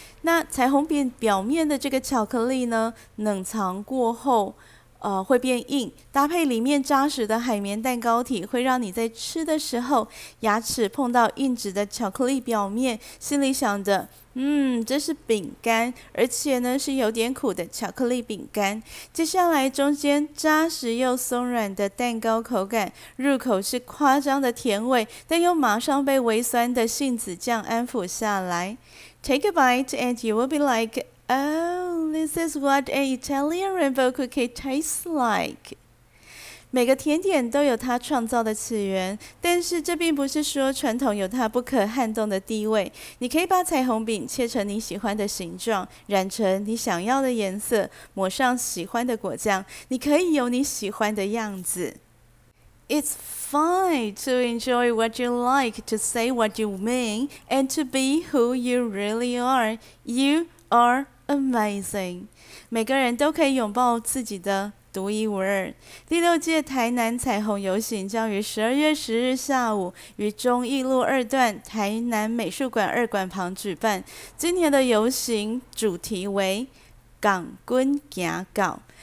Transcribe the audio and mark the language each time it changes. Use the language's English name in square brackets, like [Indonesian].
[Chinese] 那彩虹饼表面的这个巧克力呢，冷藏过后会变硬，搭配里面扎实的海绵蛋糕体，会让你在吃的时候牙齿碰到硬质的巧克力表面，心里想着这是饼干，而且呢是有点苦的巧克力饼干。接下来中间扎实又松软的蛋糕口感，入口是夸张的甜味，但又马上被微酸的杏子酱安抚下来。 [English] Take a bite and you will be like, this is what an Italian rainbow cookie tastes like. [Chinese] 每个甜点都有它创造的起源，但是这并不是说传统有它不可撼动的地位。你可以把彩虹饼切成你喜欢的形状，染成你想要的颜色，抹上喜欢的果酱，你可以有你喜欢的样子。 [English] It's fine to enjoy what you like, to say what you mean, and to be who you really are. You are amazing. [Chinese] 每个人都可以拥抱自己的独一无二。第六届台南彩虹游行将于12月10日下午于忠义路二段台南美术馆二馆旁举办。今年的游行主题为港军行港。